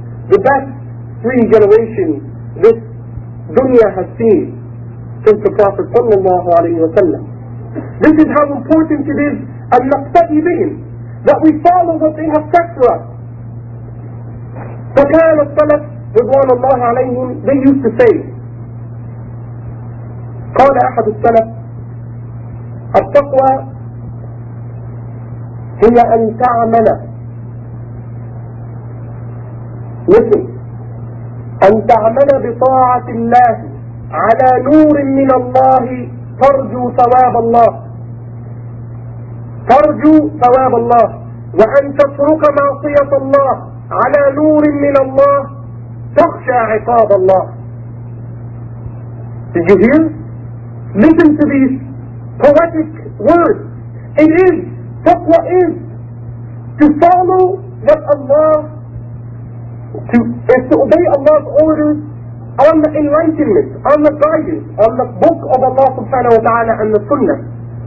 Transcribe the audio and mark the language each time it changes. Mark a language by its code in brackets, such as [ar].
[en] The best three generations this dunya has seen since the Prophet صلى الله عليه وسلم. This is how important it is [ar] أن نقتدي بهم, [en] that we follow what they have set for us. [ar] فَكَانَ الصَّلَفْ رِضْوَانَ اللَّهِ عَلَيْهِمْ. [en] They used to say, [ar] قال أحد السلف, التقوى هي أن تعمل. [en] Listen. [ar] أن تعمل بطاعة الله على نور من الله ترجو ثواب الله. ترجو ثواب الله. وأن تترك معصية الله على نور من الله تخشى عقاب الله. [en] Did you hear? Listen to these poetic words. It is, taqwa is, to follow what Allah, to obey Allah's orders on the enlightenment, on the guidance, on the book of Allah subhanahu wa ta'ala and the sunnah.